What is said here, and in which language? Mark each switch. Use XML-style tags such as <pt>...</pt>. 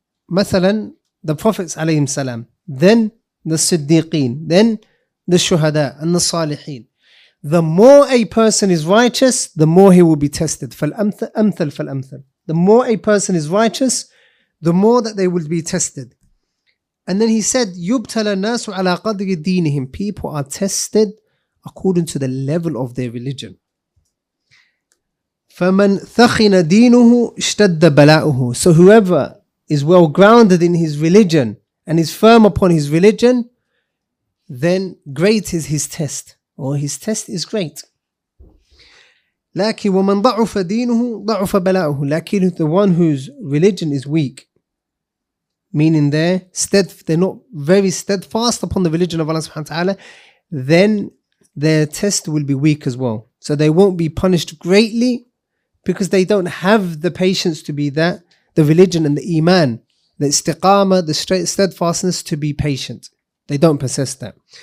<en>مثلا, the prophets, alayhi salam. Then the siddiqeen. Then the shuhada and the salihin. The more a person is righteous, the more he will be tested.</en> <ar>فَالْأَمْثَلْ فَالْأَمْثَلْ.</ar> <en>The more a person is righteous, the more that they will be tested.</en> <ar>And then he said, يُبْتَلَ النَّاسُ عَلَىٰ قَدْرِ دِينِهِمْ.</ar> <en>People are tested according to the level of their religion.</en> <ar>فَمَنْ ثَخِنَ دِينُهُ اشْتَدَّ بَلَاؤُهُ.</ar> <en>So whoever is well grounded in his religion and is firm upon his religion, then great is his test, or his test is great.</en> <ar>لكن ومن ضعف دينه ضعف بلاؤه.</ar> <en>لكن the one whose religion is weak, meaning they're not very steadfast upon the religion of Allah subhanahu wa ta'ala, then their test will be weak as well. So they won't be punished greatly because they don't have the patience to be that, the religion and the iman, the istiqama, the steadfastness to be patient. They don't possess that.</en>